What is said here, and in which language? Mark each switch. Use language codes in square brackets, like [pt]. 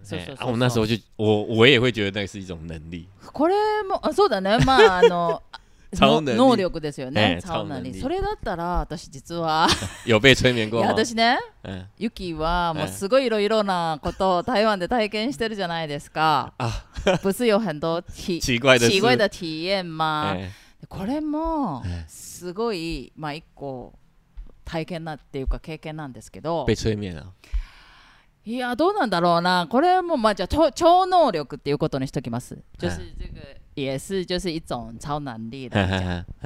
[zh] 催眠，啊，我那时候就我也会觉得那是一种能力。 [ja] これもそうだね、まああの超能力、能力ですよね、超能力。それだったら私実は [zh] 有被催眠過吗？ [ja] 私ね、ユキはもうすごいいろいろなことを台湾で体験してるじゃないですか。 [zh] 啊，不是有很多奇怪的体验吗？ [ja] これもすごい、まあ一個。体験なっていうか経験なんですけど、 [zh] 被催眠。 [ja] いやどうなんだろうな。これもまあじゃあ超能力っていうことにしときます。 [zh] 就是这个也是就是一种超能力的。